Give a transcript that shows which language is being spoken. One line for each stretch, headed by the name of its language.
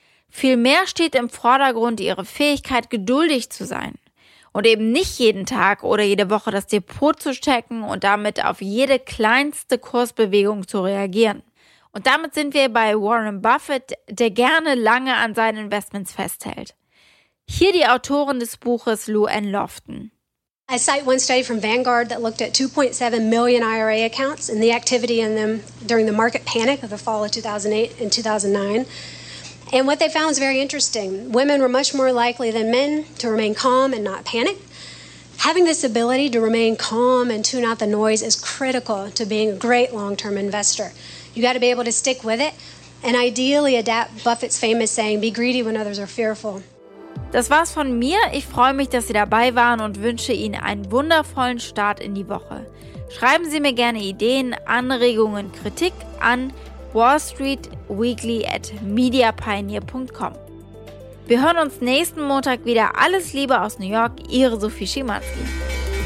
German: Vielmehr steht im Vordergrund ihre Fähigkeit, geduldig zu sein und eben nicht jeden Tag oder jede Woche das Depot zu checken und damit auf jede kleinste Kursbewegung zu reagieren. Und damit sind wir bei Warren Buffett, der gerne lange an seinen Investments festhält. Hier die Autorin des Buches, Lou Ann Lofton.
English: I cite one study from Vanguard that looked at 2.7 million IRA accounts and the activity in them during the market panic of the fall of 2008 and 2009. And what they found was very interesting. Women were much more likely than men to remain calm and not panic. Having this ability to remain calm and tune out the noise is critical to being a great long-term investor. You got to be able to stick with it and ideally adapt Buffett's famous saying, be greedy when others are fearful.
German: Das war's von mir. Ich freue mich, dass Sie dabei waren und wünsche Ihnen einen wundervollen Start in die Woche. Schreiben Sie mir gerne Ideen, Anregungen, Kritik an wallstreetweekly@mediapioneer.com. Wir hören uns nächsten Montag wieder. Alles Liebe aus New York, Ihre Sophie Schimanski.